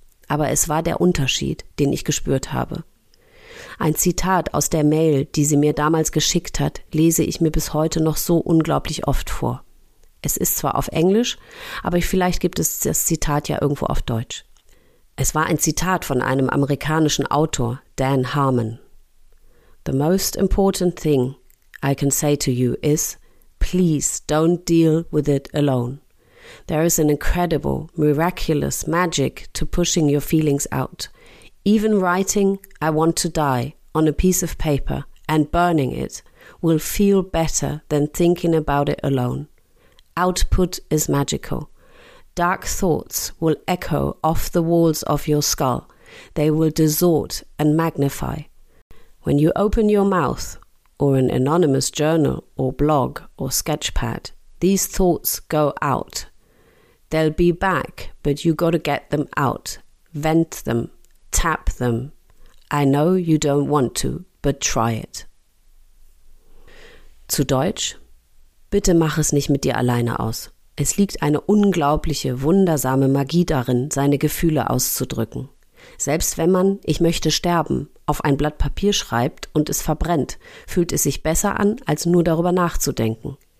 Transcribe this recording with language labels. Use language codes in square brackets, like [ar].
[de] Aber es war der Unterschied, den ich gespürt habe. Ein Zitat aus der Mail, die sie mir damals geschickt hat, lese ich mir bis heute noch so unglaublich oft vor. Es ist zwar auf Englisch, aber vielleicht gibt es das Zitat ja irgendwo auf Deutsch. Es war ein Zitat von einem amerikanischen Autor, Dan Harmon. [en] The most important thing I can say to you is, please don't deal with it alone. There is an incredible, miraculous magic to pushing your feelings out. Even writing, I want to die, on a piece of paper and burning it will feel better than thinking about it alone. Output is magical. Dark thoughts will echo off the walls of your skull. They will distort and magnify. When you open your mouth, or an anonymous journal, or blog, or sketchpad, these thoughts go out. They'll be back, but you gotta get them out. Vent them. Tap them. I know you don't want to, but try it. [de] Zu Deutsch: Bitte mach es nicht mit dir alleine aus. Es liegt eine unglaubliche, wundersame Magie darin, seine Gefühle auszudrücken. Selbst wenn man »Ich möchte sterben« auf ein Blatt Papier schreibt und es verbrennt, fühlt es sich besser an, als nur darüber nachzudenken.